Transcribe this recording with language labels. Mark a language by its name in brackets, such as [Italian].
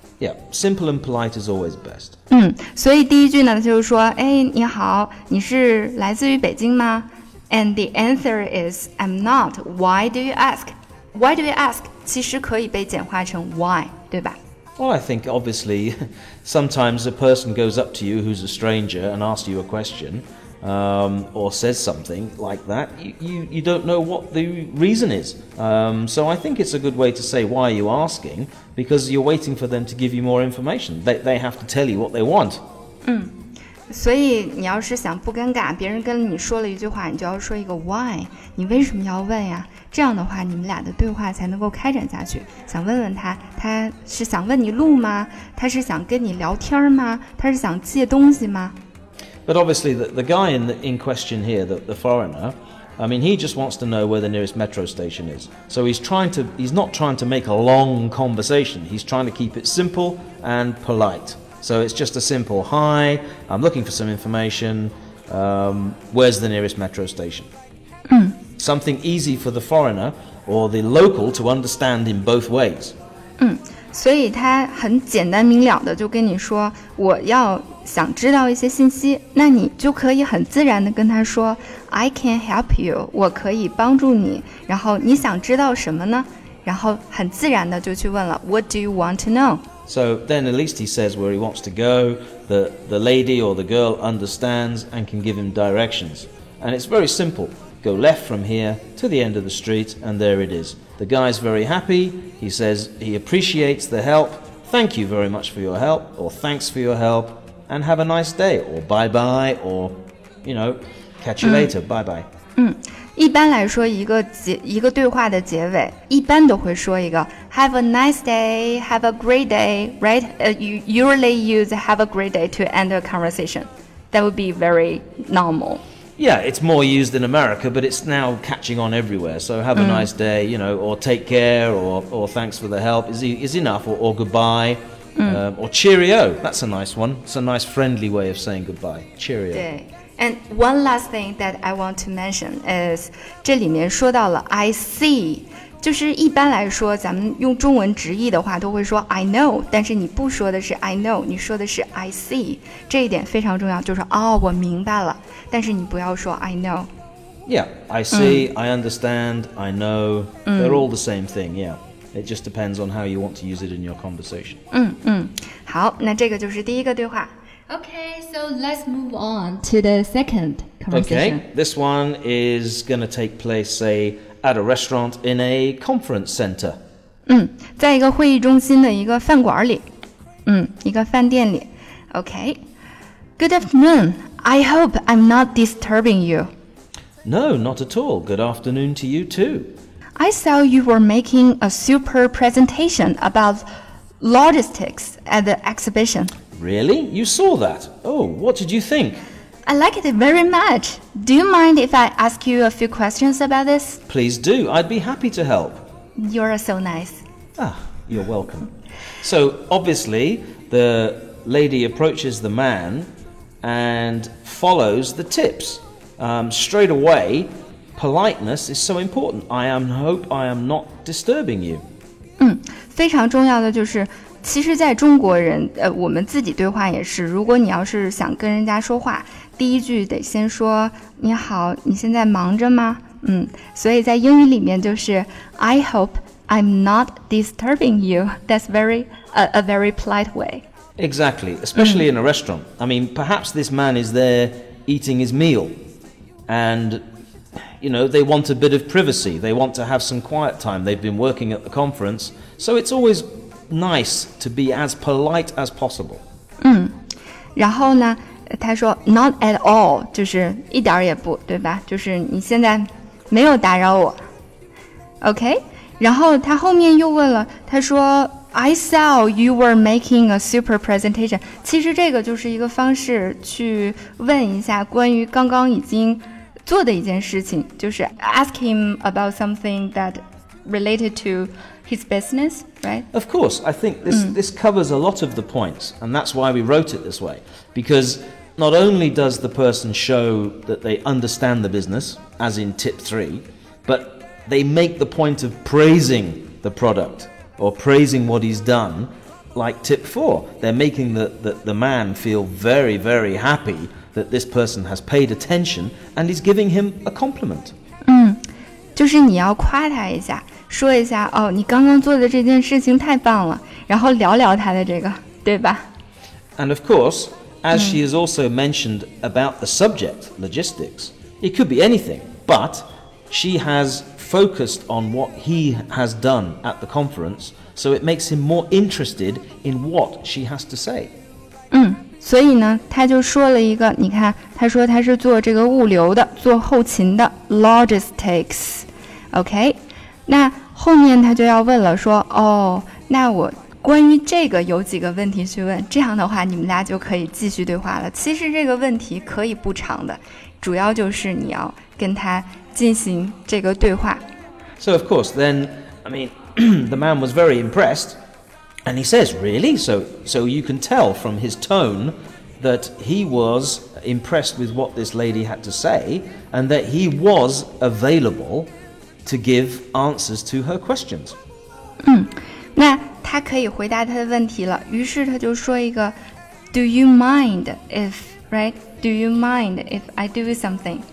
[English] Yeah, simple and polite is always best. [Chinese] 所以第一句呢，就是说，哎，你好，你是来自于北京吗？ [English] And the answer is, I'm not. Why do you ask? Why do you ask? [Chinese] 其实可以被简化成 why, 对吧？ [English] Well, I think, obviously, sometimes a person goes up to you who's a stranger and asks you a question, or says something like that. You don't know what the reason is. So I think it's a good way to say, why are you asking? Because you're waiting for them to give you more information. They have to tell you what they want. [Chinese] 所以你要是想不尴尬，别人跟你说了一句话，你就要说一个 why, 你为什么要问呀？这样的话，你们俩的对话才能够开展下去。想问问他，他是想问你路吗？他是想跟你聊天吗？他是想借东西吗？ [English] But obviously, the guy in question here, the foreigner, I mean, he just wants to know where the nearest metro station is. So he's not trying to make a long conversation. He's trying to keep it simple and polite. So it's just a simple, hi, I'm looking for some information, where's the nearest metro station? Something easy for the foreigner or the local to understand in both ways. [Chinese] 所以他很简单明了的就跟你说，我要想知道一些信息，那你就可以很自然的跟他说， [English] I can help you, [Chinese] 我可以帮助你，然后你想知道什么呢？然后很自然的就去问了， [English] What do you want to know? So then at least he says where he wants to go, the lady or the girl understands and can give him directions. And it's very simple. Go left from here to the end of the street and there it is. The guy's very happy. He says he appreciates the help. Thank you very much for your help or thanks for your help and have a nice day or bye-bye or, you know, catch you later. Bye-bye. [Chinese] 一般来说一个对话的结尾一般都会说一个 [English] Have a nice day, have a great day, right? You usually use have a great day to end a conversation. That would be very normal. Yeah, it's more used in America, but it's now catching on everywhere. So have a nice day, you know, or take care, or thanks for the help is enough, or goodbye, or cheerio. That's a nice one. It's a nice friendly way of saying goodbye. Cheerio. Day. And one last thing that I want to mention is, [Chinese] 这里面说到了 [English] I see, [Chinese] 就是一般来说咱们用中文直译的话都会说 [English] I know, [Chinese] 但是你不说的是 I know, 你说的是 I see, 这一点非常重要，就是哦，我明白了，但是你不要说 I know. [English] Yeah, I see, I understand, I know, they're all the same thing, yeah. It just depends on how you want to use it in your conversation. [Chinese] 好，那这个就是第一个对话。 [English] Okay, so let's move on to the second conversation. Okay, this one is going to take place, say, at a restaurant in a conference center. [Chinese] 在一个会议中心的一个饭馆里，一个饭店里。 [English] Okay, good afternoon. I hope I'm not disturbing you. No, not at all. Good afternoon to you too. I saw you were making a super presentation about logistics at the exhibition. Really? You saw that? Oh, what did you think? I like it very much. Do you mind if I ask you a few questions about this? Please do. I'd be happy to help. You're so nice. Ah, you're welcome. So, obviously, the lady approaches the man and follows the tips. Straight away... Politeness is so important. I am not disturbing you. [Chinese] 非常重要的就是，其实在中国人，我们自己对话也是，如果你要是想跟人家说话，第一句得先说，你好，你现在忙着吗？所以在英语里面就是 [English] I hope I'm not disturbing you. That's a very polite way. Exactly, especially in a restaurant. I mean, perhaps this man is there eating his meal, andYou know, they want a bit of privacy. They want to have some quiet time. They've been working at the conference. So it's always nice to be as polite as possible. [Chinese] 然后呢他说 [English] not at all, [Chinese] 就是一点也不对吧就是你现在没有打扰我。 [English] Okay? [Chinese] 然后他后面又问了他说 [English] I saw you were making a super presentation. [Chinese] 其实这个就是一个方式去问一下关于刚刚已经做的一件事情就是 [English] ask him about something that related to his business, right? Of course, I think this covers a lot of the points, and that's why we wrote it this way. Because Not only does the person show that they understand the business, as in tip three, but they make the point of praising the product or praising what he's done, like tip four. They're making the man feel very, very happy that this person has paid attention and he's giving him a compliment. [Chinese] 就是你要夸他一下，说一下哦，你刚刚做的这件事情太棒了，然后聊聊他的这个，对吧？ [English] And of course, as she has also mentioned about the subject, logistics, it could be anything, but she has focused on what he has done at the conference, so it makes him more interested in what she has to say. [Chinese] 所以呢，他就说了一个，你看，他说他是做这个物流的，做后勤的 logistics, OK? 那后面他就要问了，说，哦，那我关于这个有几个问题去问，这样的话你们俩就可以继续对话了。其实这个问题可以不长的，主要就是你要跟他进行这个对话。 [English] So of course, then, I mean, the man was very impressed. And he says, really? So you can tell from his tone that he was impressed with what this lady had to say and that he was available to give answers to her questions. [Chinese] 那他可以回答他的问题了。于是他就说一个 [English] Do you mind if, [Chinese] right? [English] Do you mind if I do something?